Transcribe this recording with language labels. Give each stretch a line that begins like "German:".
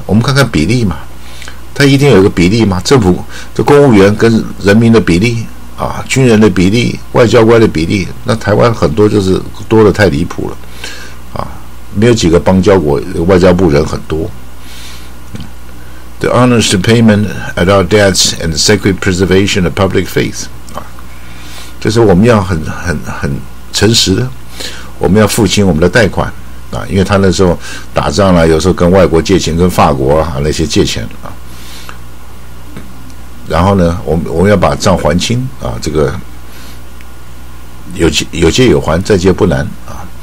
Chinese: 我们看看比例嘛，它一定有一个比例嘛，政府这公务员跟人民的比例啊，军人的比例、外交官的比例，那台湾很多就是多得太离谱了啊，没有几个邦交国外交部人很多。
English: The honest payment at our debts and the sacred preservation of public faith.
Chinese: 就是我们要很诚实的，我们要付清我们的贷款啊，因为他那时候打仗了，有时候跟外国借钱，跟法国啊那些借钱啊。然后呢，我们要把账还清啊，这个有借有还，再借不难啊。